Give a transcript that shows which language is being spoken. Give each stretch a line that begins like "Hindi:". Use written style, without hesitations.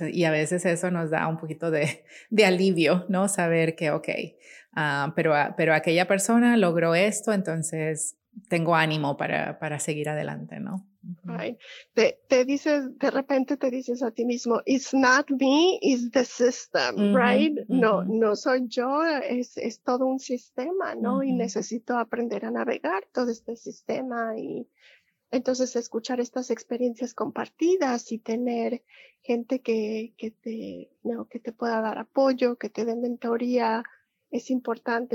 Spanish: Y a veces eso nos da un poquito de alivio, ¿no? Saber que, ok, pero aquella persona logró esto, entonces tengo ánimo para seguir adelante, ¿no?
English: Right.
Spanish: De repente te dices a ti mismo,
English: it's not me, it's the system, mm-hmm, right? Mm-hmm.
Spanish: No soy yo, es todo un sistema, ¿no? Mm-hmm. Y necesito aprender a navegar todo este sistema, y entonces escuchar estas experiencias compartidas y tener gente que te pueda dar apoyo, que te den mentoría, es importante.